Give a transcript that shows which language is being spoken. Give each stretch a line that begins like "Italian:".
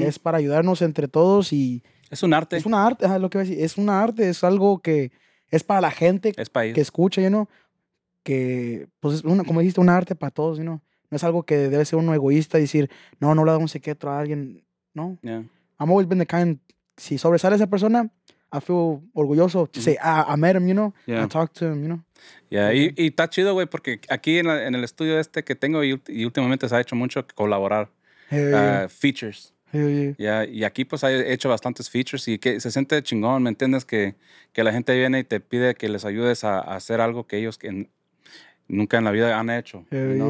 Spanish: Es para ayudarnos entre todos y... Es un arte. Es una arte, es lo que iba a decir. Es un arte, es algo que es para la gente que escucha, ¿no? Que, pues, es una, como dijiste, un arte para todos, ¿no? No es algo que debe ser uno egoísta y decir, no, no le damos secreto a alguien, ¿no?
English: Yeah. I'm always been the kind,
Spanish: si sobresale a esa persona,
English: I feel
Spanish: orgulloso
English: to say, I met him, you know? Yeah. I talked to him, you know? Yeah, okay.
Spanish: Y está chido, güey, porque aquí en el estudio este que tengo y últimamente se ha hecho mucho colaborar.
English: Features. Yeah.
Spanish: Y aquí pues he hecho bastantes features y que se siente chingón, ¿me entiendes? Que la gente viene y te pide que les ayudes a hacer algo que ellos que nunca en la vida han hecho, ¿no?